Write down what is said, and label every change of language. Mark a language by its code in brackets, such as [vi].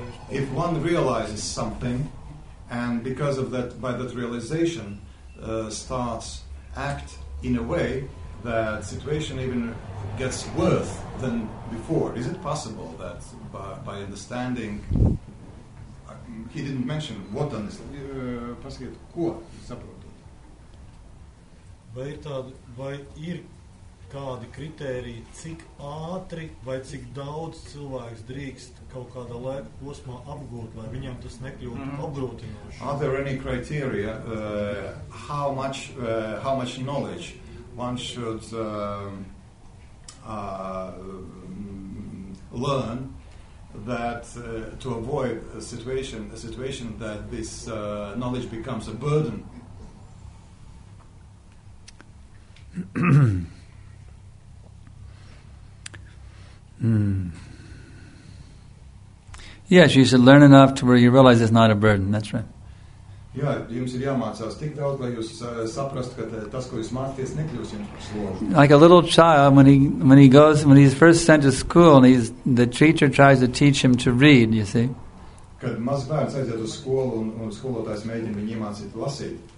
[en] If one realizes something and because of that, by that realization starts act in a way that situation even gets worse than before, is it possible that by understanding he didn't mention what [lv] pasakiet, ko saprot? Vai ir kādi kritēriji, cik ātri vai cik daudz cilvēks drīkst kaut kādā laika posmā apgūt, lai viņam tas nekļūtu apgrūtinoši? [en] Are there any criteria how much knowledge one should learn that to avoid a situation that this knowledge becomes a burden? Yes, you should learn enough to where you realize it's not a burden. That's right. [lv] Yeah, jums ir jāmācās tik daudz, lai jūs saprastu, ka tas, ko jūs mācāties, nekļūs jums par slogu. [en] Like a little child, when he's first sent to school, and the teacher tries to teach him to read. You see. [lv] Kad maz bērns aiziet uz skolu un skolotājs mēģina viņu iemācīt lasīt.